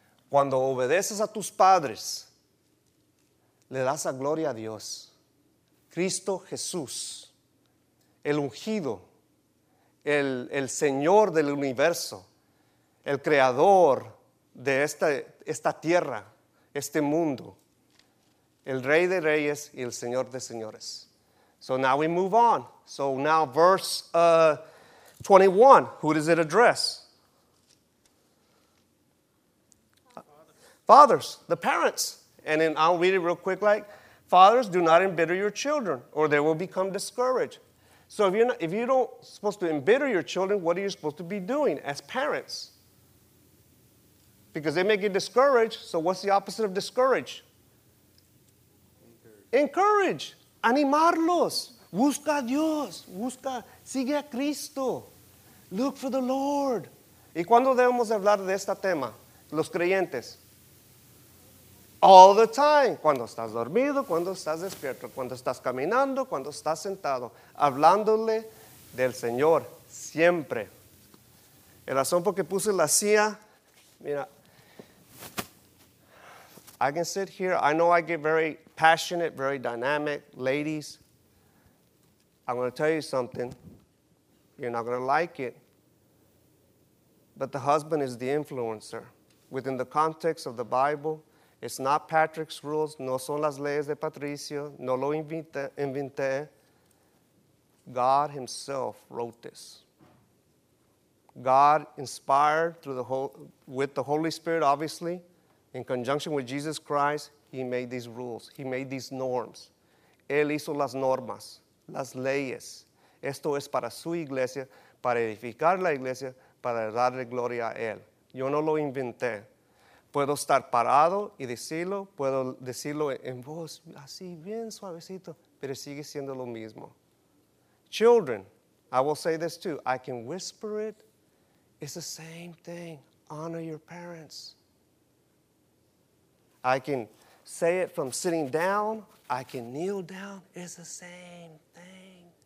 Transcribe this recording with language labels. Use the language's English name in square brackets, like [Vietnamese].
[Spanish] Cuando obedeces a tus padres, le das la gloria a Dios. Cristo Jesús, el ungido, el Señor del universo, el creador de esta tierra, este mundo, el Rey de Reyes y el Señor de Señores. [English] So now we move on. So now verse 21, who does it address? Fathers, the parents. And then I'll read it real quick, like, fathers, do not embitter your children, or they will become discouraged. So if you don't supposed to embitter your children, what are you supposed to be doing as parents? Because they may get discouraged, so what's the opposite of discourage? Encourage. [Spanish] Animarlos. Busca a Dios. Busca. Sigue a Cristo. [English] Look for the Lord. [Spanish] ¿Y cuándo debemos hablar de este tema? Los creyentes. [English] All the time, [Spanish] cuando estás dormido, cuando estás despierto, cuando estás caminando, cuando estás sentado, hablándole del Señor, siempre. El razón por que puse la silla, mira, [English] I can sit here, I know I get very passionate, very dynamic, ladies, I'm going to tell you something, you're not going to like it, but the husband is the influencer within the context of the Bible. It's not Patrick's rules. [Spanish] No son las leyes de Patricio. No lo inventé. [English] God himself wrote this. God inspired with the Holy Spirit, obviously, in conjunction with Jesus Christ, he made these rules. He made these norms. [Spanish] Él hizo las normas, las leyes. Esto es para su iglesia, para edificar la iglesia, para darle gloria a él. Yo no lo inventé. Puedo estar parado y decirlo, puedo decirlo en voz, así bien suavecito, pero sigue siendo lo mismo. [English] Children, I will say this too, I can whisper it, it's the same thing, honor your parents. I can say it from sitting down, I can kneel down, it's the same thing.